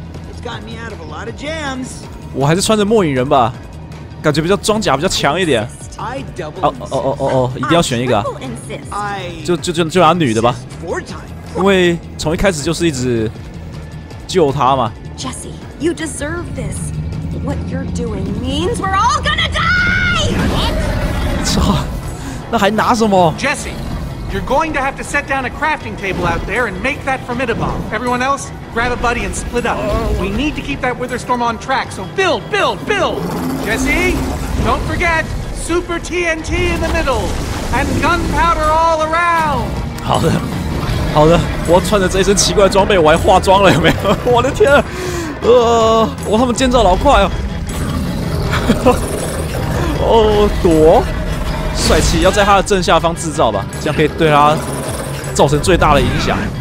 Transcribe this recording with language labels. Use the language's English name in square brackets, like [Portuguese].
[English] It's gotten me out of a lot of jams. [Chinese] 我还是穿着末影人吧，感觉比较装甲比较强一点。 [English] I double insist. [Chinese] 一定要选一个啊！ [English] I [Chinese] 就拿女的吧，因为从一开始就是一直救她嘛。 [English] Jesse, you deserve this. What you're doing means we're all gonna die. What? [Chinese] 操！那还拿什么 [English] ？Jesse, you're going to have to set down a crafting table out there and make that formidable. Everyone else, grab a buddy and split up. We need to keep that Witherstorm on track. So build, build, build. Jesse, don't forget. Super TNT in the middle, and gunpowder all around. [Chinese] 好的，好的，我穿着这一身奇怪的装备，我还化妆了，有没有？我的天啊，我他们建造老快了。哦，躲，帅气，要在他的正下方制造吧，这样可以对他造成最大的影响。